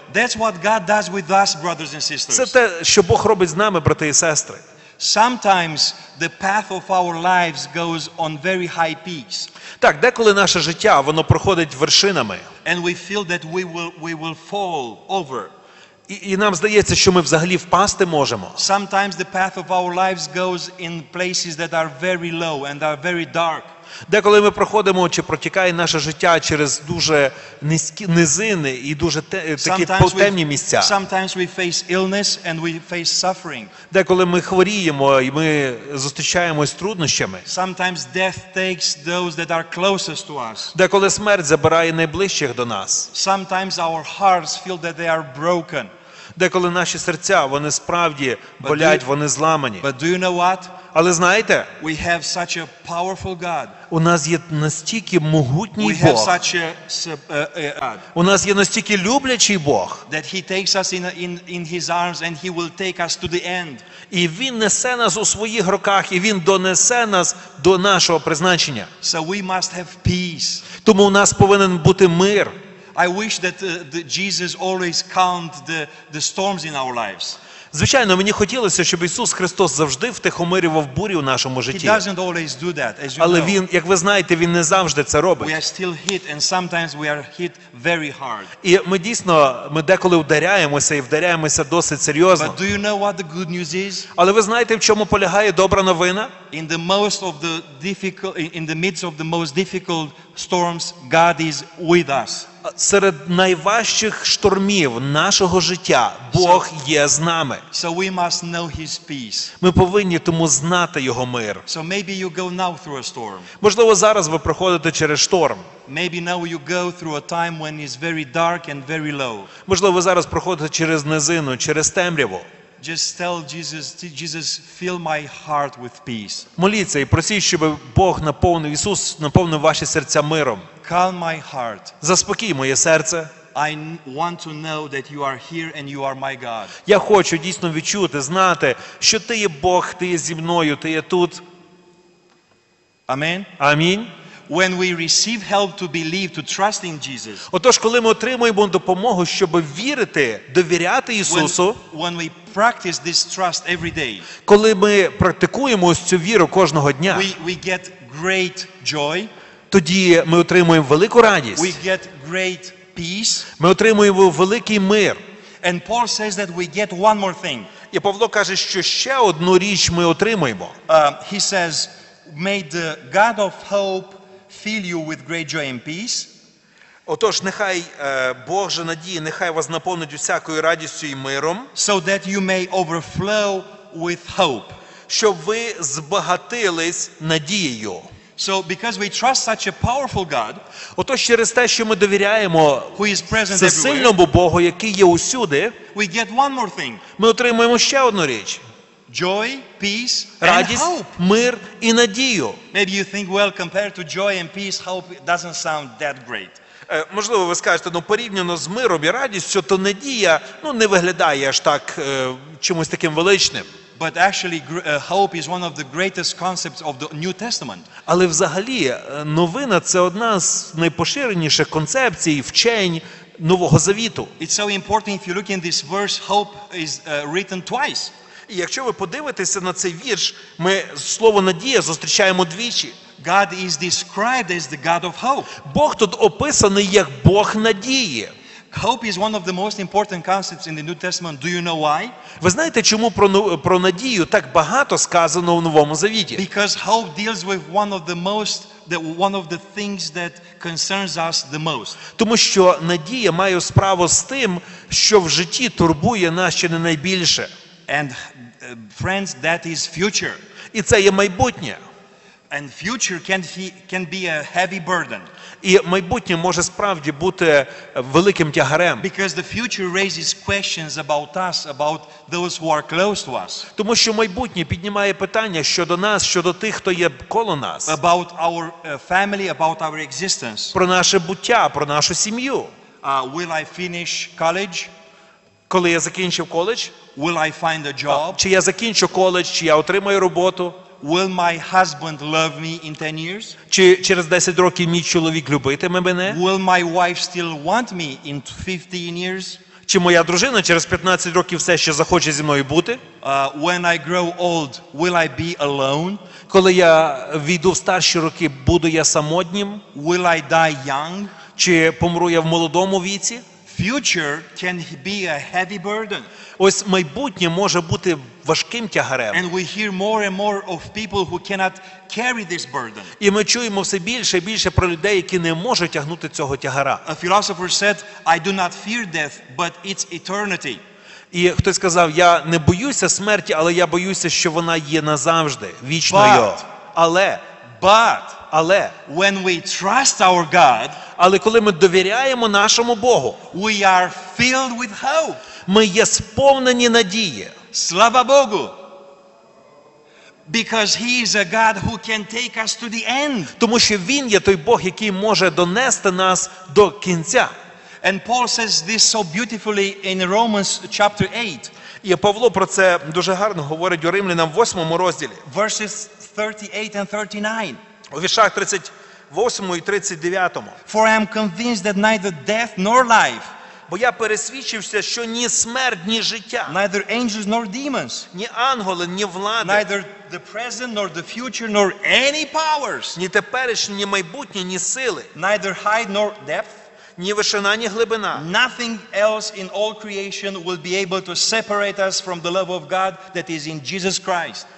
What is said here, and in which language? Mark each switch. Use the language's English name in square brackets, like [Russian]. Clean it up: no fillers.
[English] That's what God does with us, brothers and sisters. [Ukrainian] Це те, що Бог робить з нами, брати і сестри. [English] Sometimes the path of our lives goes on very high peaks. [Ukrainian] Так, деколи наше життя, воно проходить вершинами. [English] And we feel that we will fall over. [Ukrainian] І нам здається, що ми взагалі впасти можемо. [English] Sometimes the path of our lives goes in places that are very low and are very dark. [Ukrainian] Деколи ми проходимо чи протікає наше життя через дуже низькі низини і дуже такі потемні місця. [English] Sometimes we face illness and we face suffering. [Ukrainian] Деколи ми хворіємо і ми зустрічаємось з труднощами. [English] Sometimes death takes those that are closest to us. [Ukrainian] Деколи смерть забирає найближчих до нас. [English] Sometimes our hearts feel that they are broken. [Ukrainian] Деколи наші серця, вони справді болять, вони зламані. [English] But do you know what? [Ukrainian] Але знаєте, [English] we have such a powerful God. [Ukrainian] У нас є настільки могутній [English] we [Ukrainian] Бог. [English] Have such a, God. [Ukrainian] У нас є настільки люблячий Бог. [English] That he takes us in his arms and he will take us to the end. [Ukrainian] І він несе нас у своїх руках, і він донесе нас до нашого призначення. [English] So we must have peace. [Ukrainian] Тому у нас повинен бути мир. [English] I wish that Jesus always calmed the storms in our lives. [Ukrainian] Звичайно, мені хотілося, щоб Ісус Христос завжди втихомирював бурі у нашому житті. [English] He doesn't always do that, as you [Ukrainian] Але [English] know. [Ukrainian] Він, як ви знаєте, він не завжди це робить. [English] We are still hit and sometimes we are hit very hard. [Ukrainian] І ми дійсно, ми деколи вдаряємося і вдаряємося досить серйозно. [English] But do you know what the good news is? [Ukrainian] Але ви знаєте, в чому полягає добра новина? [English] In the most of the difficult in the midst of the most difficult storms, God is with us. [Ukrainian] Серед найважчих штормів нашого життя Бог є з нами. [English] So we must know his peace. [Ukrainian] Ми повинні тому знати його мир. [English] So maybe you go now through a storm. [Ukrainian] Можливо, зараз ви проходите через шторм. [English] Maybe now you go through a time when it's very dark and very low. [Ukrainian] Можливо, ви зараз проходите через низину, через темряву. [English] Just tell Jesus, fill my heart with peace. [Ukrainian] Моліться і просіть, щоб Бог наповнив, Ісус наповнив ваші серця миром. [English] Calm my heart. [Ukrainian] Заспокій моє серце. [English] I want to know that you are here and you are my God. [Ukrainian] Я хочу дійсно відчути, знати, що ти є Бог, ти є зі мною, ти є тут. [English] Amen. [Ukrainian] Амінь. [English] When we receive help to believe, to trust in Jesus. [Ukrainian] Отож, коли ми отримуємо допомогу, щоб вірити, довіряти Ісусу. [English] When we practice this trust every day. [Ukrainian] Коли ми практикуємо ось цю віру кожного дня. [English] We get great joy. [Ukrainian] Тоді ми отримуємо велику радість. [English] We get great peace. [Ukrainian] Ми отримуємо великий мир. [English] And Paul says that we get one more thing. [Ukrainian] І Павло каже, що ще одну річ ми отримуємо. [English] He says, may the God of hope fill you with great joy and peace. [Ukrainian] Отож, нехай Божа надія, нехай вас наповнить усякою радістю і миром. [English] So that you may overflow with hope. [Ukrainian] Щоб ви збагатились надією. [English] So because we trust such a powerful God, [Ukrainian] отож через те, що ми довіряємо всесильному Богу, який є усюди, [English] we get one more thing. [Ukrainian] Ми отримуємо ще одну річ. [English] Joy, peace, [Ukrainian] радість, [English] and hope. [Ukrainian] Мир і надію. [English] Maybe you think, well, compared to joy and peace, hope doesn't sound that great. [Ukrainian] Можливо, ви скажете, ну, порівняно з миром і радістю, то надія, ну, не виглядає аж так чимось таким величним. [English] But actually, hope is one of the greatest concepts of the New Testament. [Ukrainian] Але взагалі, новина – це одна з найпоширеніших концепцій, вчень Нового Завіту. [English] It's so important, if you look in this verse, hope is written twice. [Ukrainian] І якщо ви подивитеся на цей вірш, ми слово «надія» зустрічаємо двічі. [English] God is described as the God of hope. [Ukrainian] Бог тут описаний як Бог надії. [English] Hope is one of the most important concepts in the New Testament. Do you know why? [Ukrainian] Ви знаєте, чому про надію так багато сказано в Новому Завіті? [English] Because hope deals with one of the things that concerns us the most. [Ukrainian] Тому що надія має справу з тим, що в житті турбує нас ще не найбільше. [English] And friends, that is future. [Ukrainian] І це є майбутнє. [English] And future can be a heavy burden. [Ukrainian] І майбутнє може справді бути великим тягарем. [English] Because the future raises questions about us, about those who are close to us. [Ukrainian] Тому що майбутнє піднімає питання щодо нас, щодо тих, хто є коло нас. [English] About our family, about our existence. [Ukrainian] Про наше буття, про нашу сім'ю. [English] Will I finish college? [Ukrainian] Коли я закінчив коледж? [English] Will I find a job? [Ukrainian] Чи я закінчу коледж, чи я отримаю роботу? [English] Will my husband love me in 10 years? [Ukrainian] Чи через 10 років мій чоловік любитиме мене? [English] Will my wife still want me in 15 years? [Ukrainian] чи моя дружина через 15 років все ще захоче зі мною бути? [English] When I grow old, will I be alone? [Ukrainian] Коли я війду в старші роки, буду я самотнім? [English] Will I die young? [Ukrainian] Чи помру я в молодому віці? [English] Future can be a heavy burden. [Ukrainian] Ось майбутнє може бути важким тягарем. [English] And we hear more and more of people who cannot carry this burden. [Ukrainian] І ми чуємо все більше і більше про людей, які не можуть тягнути цього тягара. [English] A philosopher said, I do not fear death, but it's eternity. [Ukrainian] І хтось сказав, я не боюся смерті, але я боюся, що вона є назавжди, вічною. [English] But when we trust our God, [Ukrainian] але коли ми довіряємо нашому Богу, [English] we are filled with hope. [Ukrainian] Ми є сповнені надії. Слава Богу. [English] Because he is a God who can take us to the end. [Ukrainian] Тому що він є той Бог, який може донести нас до кінця. [English] And Paul says this so beautifully in Romans chapter 8. [Ukrainian] І Павло про це дуже гарно говорить у Римлянам 8-му розділі. [English] Verses 38 and 39. [Ukrainian] У віршах 38-му і 39-му. [English] For I am convinced that neither death nor life, [Ukrainian] бо я пересвідчився, що ні смерть, ні життя, [English] neither angels nor demons, [Ukrainian] ні ангели, ні влади, [English] neither the present nor the future nor any powers, [Ukrainian] ні теперішнє, ні майбутнє, ні сили, [English] neither height nor depth, [Ukrainian] ні вишина, ні глибина, [English] nothing else in all creation will be able to separate us from the love of God that is in Jesus Christ.